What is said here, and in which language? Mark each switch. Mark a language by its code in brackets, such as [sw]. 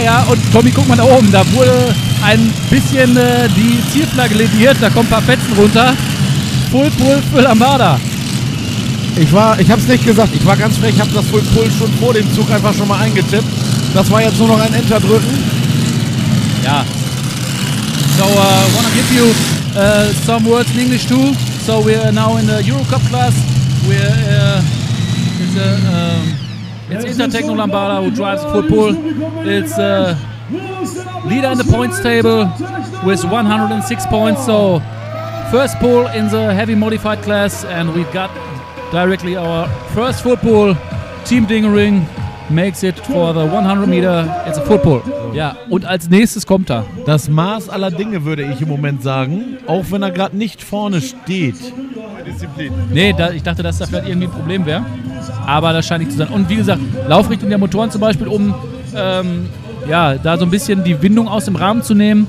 [de] Und Tommy, guck mal da oben, da wurde ein bisschen die Zielflagge lediert, da kommen ein paar Fetzen runter. Full für Lambada. Ich hab's nicht gesagt, ich war ganz frech, hab das Full schon vor dem Zug einfach schon mal eingetippt. Das war jetzt nur noch ein Enter drücken. Ja. [en] So, I wanna give you some words in English too. So, we're now in the Eurocup class. We're in the... It's Intertechno Lambada who drives full pull. It's leader in the points table with 106 points. So first pull in the heavy modified class, and we've got directly our first full pull. Team Dingering makes it for the 100 meter. It's a football. [de] Ja, und als nächstes kommt er. Das Maß aller Dinge, würde ich im Moment sagen. Auch wenn er gerade nicht vorne steht. Disziplin. Nee, da, ich dachte, dass da vielleicht irgendwie ein Problem wäre. Aber das scheint nicht zu sein. Und wie gesagt, Laufrichtung der Motoren zum Beispiel, um ja, da so ein bisschen die Windung aus dem Rahmen zu nehmen.